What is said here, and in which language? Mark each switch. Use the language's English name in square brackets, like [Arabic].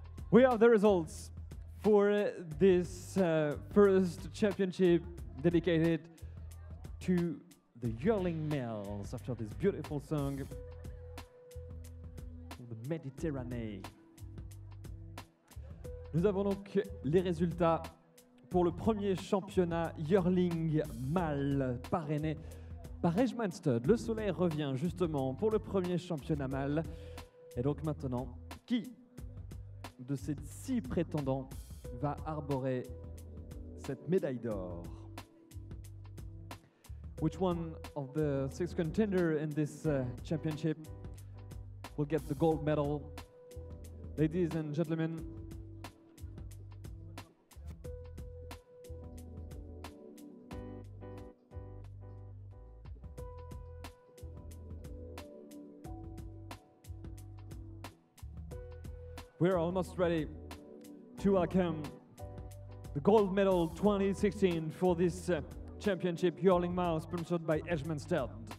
[English] We have the results for this first championship dedicated to the Yearling males after this beautiful song of the Mediterranean. [French] Nous avons donc les résultats pour le premier championnat Yearling mâle parrainé par Regemanstud. Le soleil revient justement pour le premier championnat mâle. Et donc maintenant, qui de ces six prétendants va arborer cette médaille d'or? [English] Which one of the six contenders in this championship will get the gold medal? Ladies and gentlemen, we're almost ready to welcome the gold medal 2016 for this championship Yearling Mâle sponsored by Regemanstud.